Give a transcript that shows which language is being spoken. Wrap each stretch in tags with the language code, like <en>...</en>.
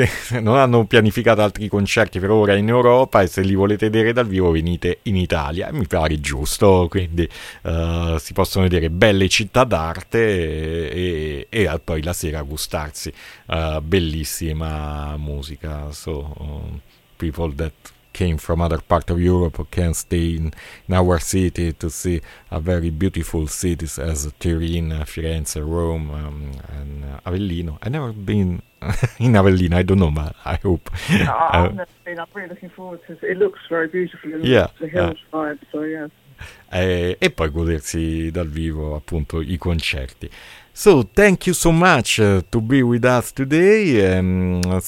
<it>Non hanno pianificato altri concerti per ora in Europa, e se li volete vedere dal vivo venite in Italia, mi pare giusto, quindi si possono vedere belle città d'arte e poi la sera gustarsi bellissima musica.</it> <en>So people that came from other part of Europe can stay in our city to see a very beautiful cities as Turin, Firenze, Rome, and Avellino. I never been in Avellino, I don't know, but I hope. No, I've never been. I'm really looking forward to it. It looks very beautiful. It looks, yeah, the hills, yeah. Vibe, so yeah.</en> <it>E poi godersi dal vivo appunto i concerti.</it> <en>So thank you so much to be with us today.</en>